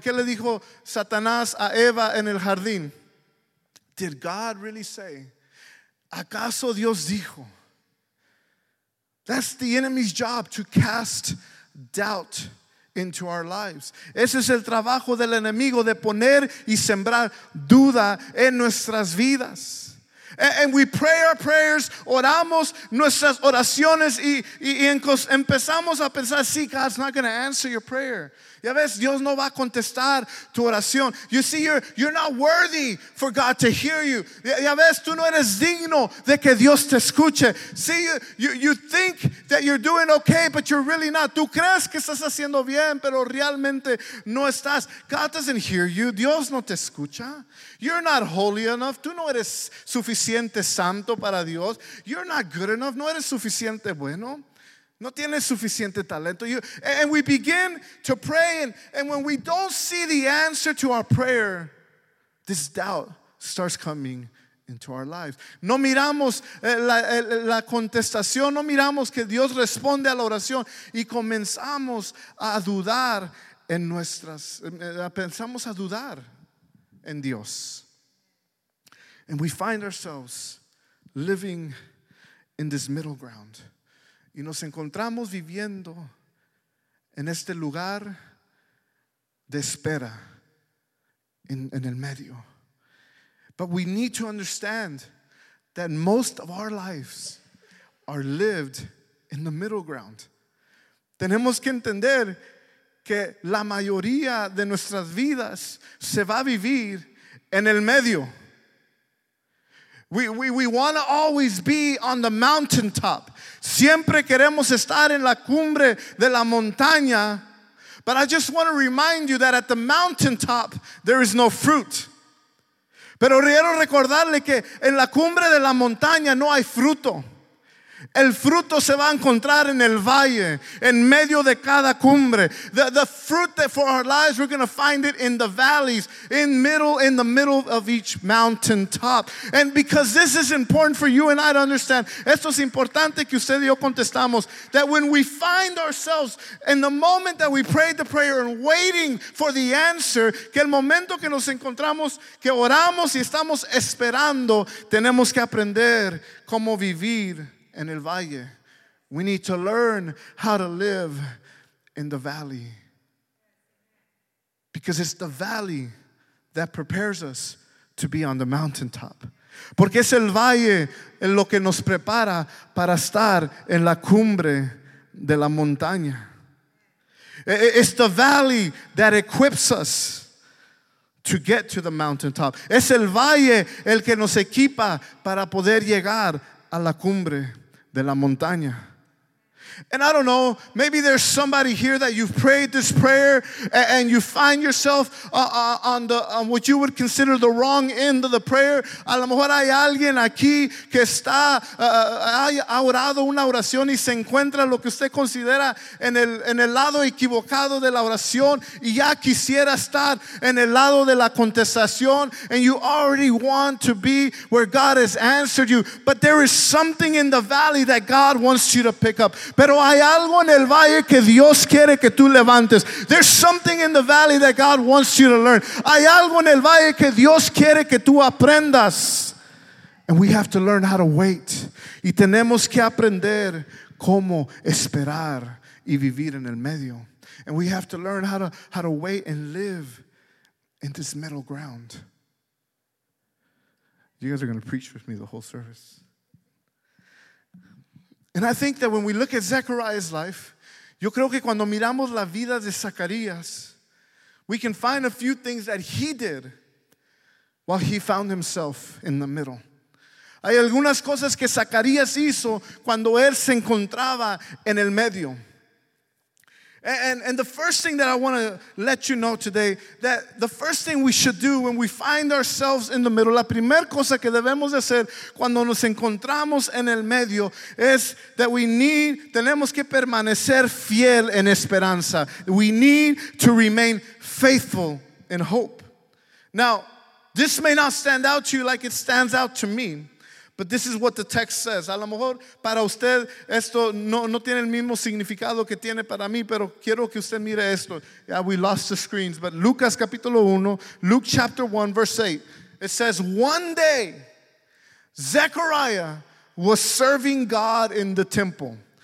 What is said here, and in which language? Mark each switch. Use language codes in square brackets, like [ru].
[es] ¿Qué le dijo Satanás a Eva en el jardín? [en] Did God really say? [es] ¿Acaso Dios dijo? [en] That's the enemy's job, to cast doubt into our lives. [es] Ese es el trabajo del enemigo, de poner y sembrar duda en nuestras vidas. [en] And we pray our prayers, [es] oramos nuestras oraciones y empezamos a pensar, sí, [en] God's not going to answer your prayer. [es] Ya ves, Dios no va a contestar tu oración. [en] You see, you're not worthy for God to hear you. [es] Ya ves, tú no eres digno de que Dios te escuche. [en] See, you think that you're doing okay, but you're really not. [es] Tú crees que estás haciendo bien, pero realmente no estás. [en] God doesn't hear you. [es] Dios no te escucha. [en] You're not holy enough. [es] Tú no eres suficiente santo para Dios. [en] You're not good enough. [es] No eres suficiente bueno. No tienes suficiente talento. [en] And we begin to pray, and when we don't see the answer to our prayer, this doubt starts coming into our lives. [es] No miramos la contestación, no miramos que Dios responde a la oración, y comenzamos a dudar en nuestras, pensamos a dudar en Dios. [en] And we find ourselves living in this middle ground. [es] Y nos encontramos viviendo en este lugar de espera, en el medio. [en] But we need to understand that most of our lives are lived in the middle ground. [es] Tenemos que entender que la mayoría de nuestras vidas se va a vivir en el medio. [en] We want to always be on the mountaintop. [es] Siempre queremos estar en la cumbre de la montaña. [en] But I just want to remind you that at the mountaintop, there is no fruit. [es] Pero quiero recordarle que en la cumbre de la montaña no hay fruto. El fruto se va a encontrar en el valle, en medio de cada cumbre. [en] The fruit that for our lives, we're going to find it in the valleys, in the middle of each mountaintop. And because this is important for you and I to understand, [es] esto es importante que usted y yo contestamos, [en] that when we find ourselves in the moment that we prayed the prayer and waiting for the answer, [es] que el momento que nos encontramos, que oramos y estamos esperando, tenemos que aprender cómo vivir en el valle. [en] We need to learn how to live in the valley. Because it's the valley that prepares us to be on the mountaintop. [es] Porque es el valle en lo que nos prepara para estar en la cumbre de la montaña. [en] It's the valley that equips us to get to the mountaintop. [es] Es el valle el que nos equipa para poder llegar a la cumbre de la montaña. [en] And I don't know, maybe there's somebody here that you've prayed this prayer and you find yourself on the on what you would consider the wrong end of the prayer. [es] A lo mejor hay alguien aquí que está, ha orado una oración y se encuentra lo que usted considera en el lado equivocado de la oración y ya quisiera estar en el lado de la contestación. [en] And you already want to be where God has answered you. But there is something in the valley that God wants you to pick up. [es] Pero hay algo en el valle que Dios quiere que tú levantes. [en] There's something in the valley that God wants you to learn. [es] Hay algo en el valle que Dios quiere que tú aprendas. [en] And we have to learn how to wait. [es] Y tenemos que aprender cómo esperar y vivir en el medio. [en] And we have to learn how to wait and live in this middle ground. You guys are going to preach with me the whole service. And I think that when we look at Zechariah's life, [es] yo creo que cuando miramos la vida de Zacarías, [en] we can find a few things that he did while he found himself in the middle. [es] Hay algunas cosas que Zacarías hizo cuando él se encontraba en el medio. [en] And the first thing that I want to let you know today, that the first thing we should do when we find ourselves in the middle, [es] la primera cosa que debemos hacer cuando nos encontramos en el medio es [en] that [es] tenemos que permanecer fiel en esperanza. [en] We need to remain faithful in hope. Now, this may not stand out to you like it stands out to me, but this is what the text says. [es] A lo mejor para usted esto no tiene el mismo significado que tiene para mí, pero quiero que usted mire esto. [en] Yeah, we lost the screens. But [es] Lucas capítulo 1, [en] Luke chapter 1, verse 8. It says, one day, Zechariah was serving God in the temple.